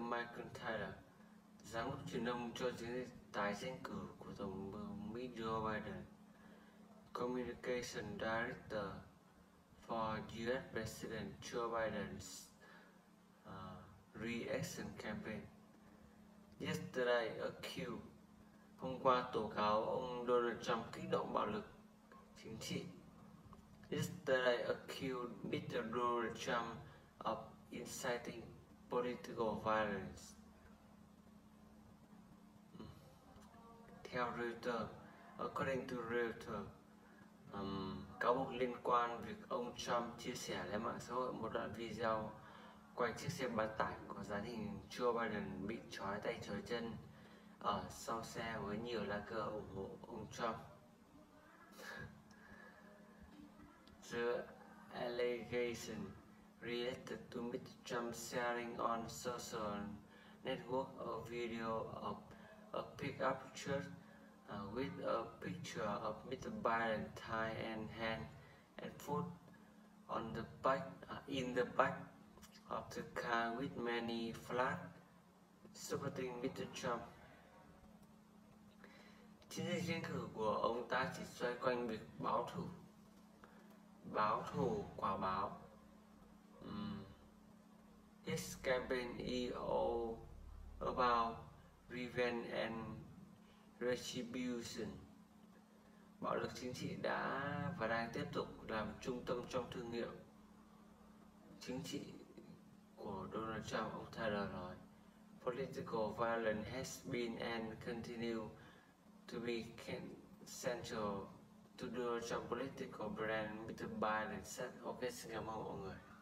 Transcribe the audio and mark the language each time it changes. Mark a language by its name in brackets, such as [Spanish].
[Vietnamese] Michael Tyler, giám đốc truyền thông cho chiến dịch tái tranh cử của Tổng thống Mỹ Joe Biden, [English] Communication Director for US President Joe Biden's re-election campaign. Yesterday, accused. [Vietnamese] Hôm qua tố cáo ông Donald Trump kích động bạo lực chính trị. [English] Yesterday, accused Mr. Donald Trump of inciting political violence. [Vietnamese] Theo Reuters, [English] according to Reuters, [Vietnamese] cáo buộc liên quan việc ông Trump chia sẻ lên mạng xã hội một đoạn video quay chiếc xe bán tải có dáng hình Joe Biden bị trói tay trói chân ở sau xe với nhiều lá cờ ủng hộ ông Trump. [English] The allegation related to Mr. Trump sharing on social network a video of a pickup truck with a picture of Mr. Biden tie and hand and foot on the back in the back of the car with many flags supporting Mr. Trump. [Vietnamese] Chiến dịch tranh cử của ông ta chỉ xoay quanh việc báo thù quả báo. [English] His campaign is all about revenge and retribution. [Vietnamese] Bạo lực chính trị đã và đang tiếp tục làm trung tâm trong thương hiệu chính trị của Donald Trump, ông Tyler nói. [English] Political violence has been and continue to be central to Donald Trump's political brand, Mr. Biden said. [Vietnamese] Ok, xin cảm ơn mọi người.